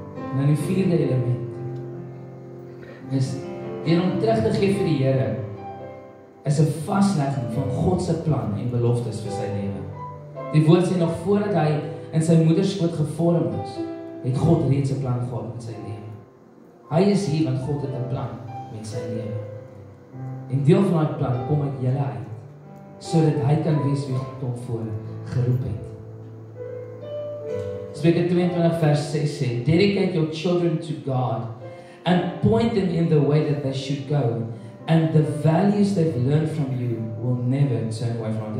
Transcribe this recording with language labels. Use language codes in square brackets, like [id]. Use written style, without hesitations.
[af] En dan die vierde element. Is deur hom terug te gee vir die Here is 'n vaslegging van God se plan en beloftes vir sy lewe. Die woord sê nog voordat hy in sy moeder skoot gevorm is, het God reeds 'n plan gehad met sy lewe. Hy is hier want God het 'n plan met sy lewe. En deel van daai plan kom uit julle uit sodat hy kan wees wie God hom voor geroep het. Spreuke 22 vers 6 sê, [en] "Dedicate your children to God and point them in the way that they should go." And the values they've learned from you will never turn away from you.